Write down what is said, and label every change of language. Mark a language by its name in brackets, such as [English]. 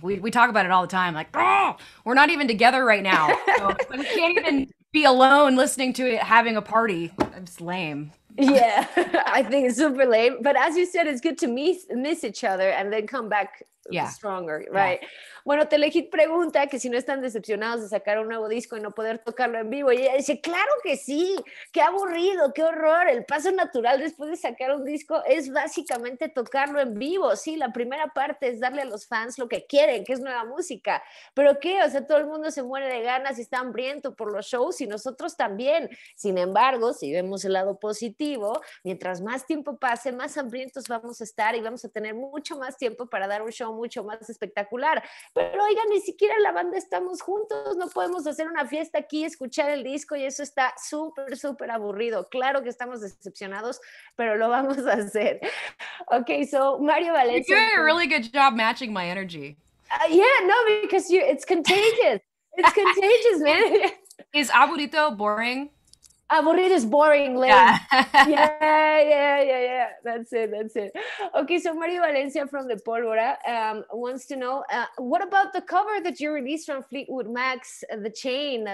[English] We talk about it all the time. Like, oh, we're not even together right now. So we can't even be alone listening to it, having a party. It's lame. Yeah, I think it's super lame. But as you said, it's good to miss each other and then come back stronger, right? Yeah. [Spanish] Bueno, Telehit pregunta que si no están decepcionados de sacar un nuevo disco y no poder tocarlo en vivo. Y ella dice, claro que sí, qué aburrido, qué horror. El paso natural después de sacar un disco es básicamente tocarlo en vivo. Sí, la primera parte es darle a los fans lo que quieren, que es nueva música. ¿Pero qué? O sea, todo el mundo se muere de ganas y está hambriento por los shows y nosotros también. Sin embargo, si vemos el lado positivo, mientras más tiempo pase, más hambrientos vamos a estar y vamos a tener mucho más tiempo para dar un show mucho más espectacular. Pero oiga, ni siquiera la banda estamos juntos, no podemos hacer una fiesta aquí, escuchar el disco y eso está súper, súper aburrido. Claro que estamos decepcionados, pero lo vamos a hacer. [English] Okay, so Mario Valencia. You're doing a really good job matching my energy. Because it's contagious. It's contagious, man. Is aburrito boring? Aburrido is boring, Lynn. Yeah. That's it. Okay, so Mario Valencia from the Pólvora wants to know, what about the cover that you released from Fleetwood Mac's The Chain?